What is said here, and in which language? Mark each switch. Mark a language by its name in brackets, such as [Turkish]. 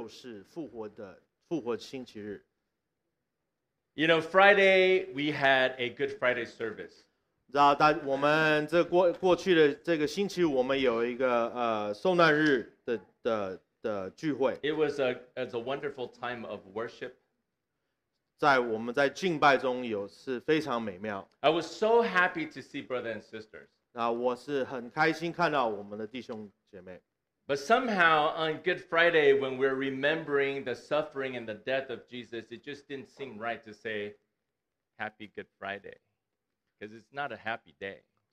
[Chinese] 但是我本身自己最喜欢一年中最喜欢那一天就是复活星期日. [English] You know, Friday we had a Good Friday service. [Chinese] 我们这过去的这个星期我们有一个圣诞日的聚会. [English] It was a wonderful time of worship. [Chinese] 在我们在敬拜中有是非常美妙. [English] I was so happy to see brothers and sisters. [Chinese] 我是很开心看到我们的弟兄姐妹. [English] But somehow on Good Friday, when we're remembering the suffering and the death of Jesus, it just didn't seem right to say Happy Good Friday, because it's not a happy day.